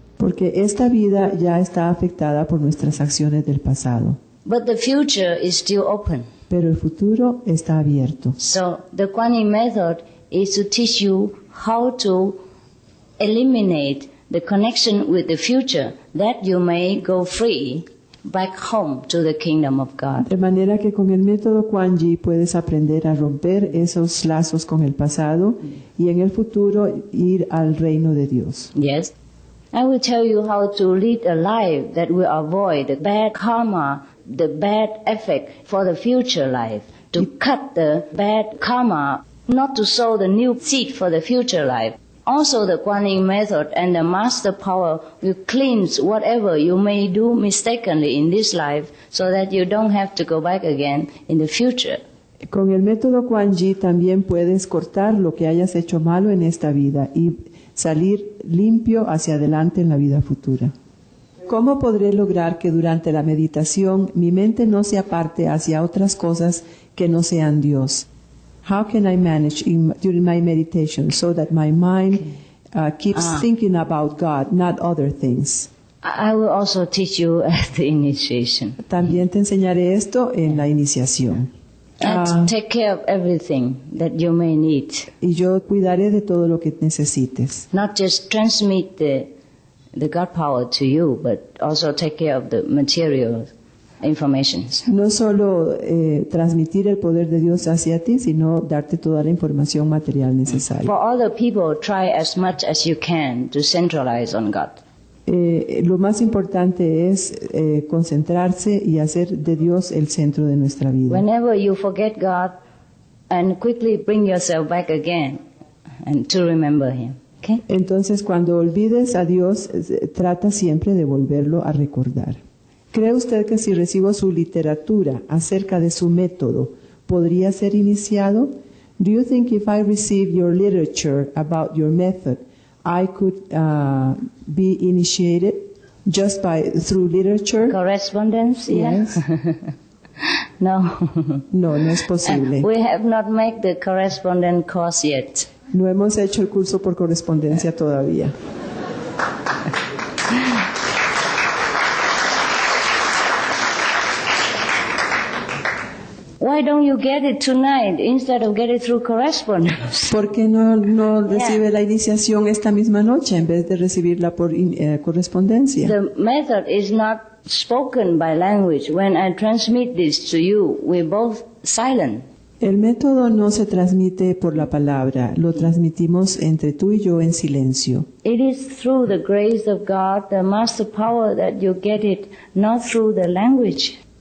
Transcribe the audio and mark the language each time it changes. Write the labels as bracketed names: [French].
[Spanish] Porque esta vida ya está afectada por nuestras acciones del pasado. [English] But the future is still open. [Spanish] Pero el futuro está abierto. [English] So the Kuan Yin method is to teach you how to eliminate the connection with the future, that you may go free back home to the kingdom of God. [Spanish] De manera que con el método Kuan Yin puedes aprender a romper esos lazos con el pasado y en el futuro ir al reino de Dios. [English] Yes. I will tell you how to lead a life that will avoid the bad karma, the bad effect for the future life, to cut the bad karma, not to sow the new seed for the future life. Also, the Kuan Yin method and the master power will cleanse whatever you may do mistakenly in this life so that you don't have to go back again in the future. [Spanish] Con el método Kuan Yin también puedes cortar lo que hayas hecho malo en esta vida y salir limpio hacia adelante en la vida futura. ¿Cómo podré lograr que durante la meditación mi mente no se aparte hacia otras cosas que no sean Dios? [English] How can I manage during my meditation so that my mind keeps thinking about God, not other things? I will also teach you at the initiation. [Spanish] También te enseñaré esto en la iniciación. [English] Take care of everything that you may need. [Spanish] Y yo cuidaré de todo lo que necesites. [English] Not just transmit the God power to you, but also take care of the material informations. [Spanish] No solo transmitir el poder de Dios hacia ti, sino darte toda la información material necesaria. [English] For other people, try as much as you can to centralize on God. [Spanish] Lo más importante es concentrarse y hacer de Dios el centro de nuestra vida. [English] Whenever you forget God, and quickly bring yourself back again, and to remember Him. Okay? [Spanish] Entonces, cuando olvides a Dios, trata siempre de volverlo a recordar. ¿Cree usted que si recibo su literatura acerca de su método, podría ser iniciado? [English] Do you think if I receive your literature about your method, I could be initiated just by through literature? Correspondence, yes. No. [Spanish] No, no es posible. [English] We have not made the correspondent course yet. [Spanish] No hemos hecho el curso por correspondencia todavía. [English] Why don't you get it tonight instead of get it through correspondence? [Spanish] ¿Por qué no recibe la iniciación esta misma noche en vez de recibirla por correspondencia? [English] The method is not spoken by language. When I transmit this to you, we're both silent. [Spanish] El método no se transmite por la palabra. Lo transmitimos entre tú y yo en silencio. [English] It is through the grace of God, the master power, that you get it, not through the language.